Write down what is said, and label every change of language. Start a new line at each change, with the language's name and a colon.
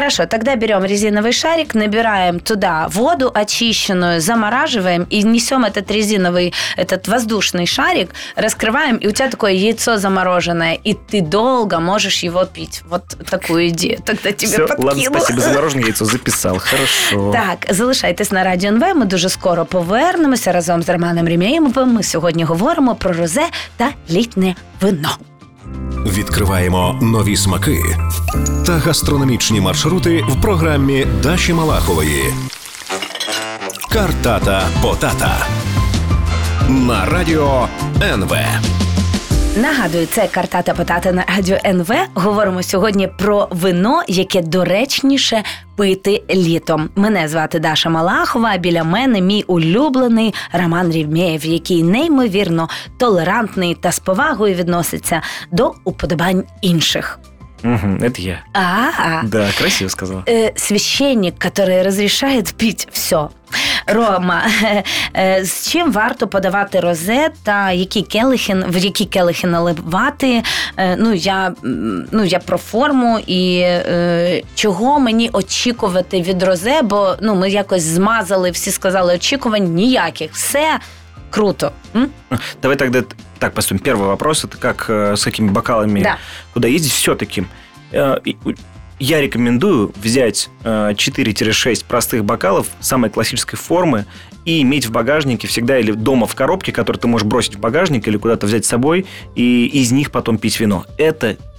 Russian: Хорошо, тогда берем резиновый шарик, набираем туда воду очищенную, замораживаем и несем этот резиновый, этот воздушный шарик, раскрываем, и у тебя такое яйцо замороженное, и ты долго можешь его пить. Вот такую идею тогда тебе подкину. Все, ладно, спасибо, замороженное яйцо записал. Хорошо.
Ukrainian: Так, залишай, ти на радіо. Ми дуже скоро повернемося разом з Романом Рємєєвим. Ми сьогодні говоримо про розе та літнє вино. Відкриваємо нові смаки та гастрономічні маршрути в програмі Даші Малахової. Картата-потата на радіо НВ. Нагадую, це «Картата-потата» на Радіо НВ. Говоримо сьогодні про вино, яке доречніше пити літом. Мене звати Даша Малахова, а біля мене мій улюблений Роман Рівмєєв, який неймовірно толерантний та з повагою відноситься до уподобань інших.
Russian: Это я. Да, красиво сказала. Священник, который разрешает пить все.
Ukrainian: Рома,
Russian: с чем
Ukrainian: варто подавати розе, та в які келихи наливати? Я про форму і чого мені очікувати від розе, бо ну, ми якось змазали, всі сказали очікувань ніяких.
Russian: Все круто. Давай тогда так поступим. Первый вопрос, это как с какими бокалами, да, куда ездить все-таки. Я рекомендую взять 4-6 простых бокалов самой классической формы и иметь в багажнике всегда или дома в коробке, которую ты можешь бросить в багажник или куда-то взять с собой и из них потом пить вино. Это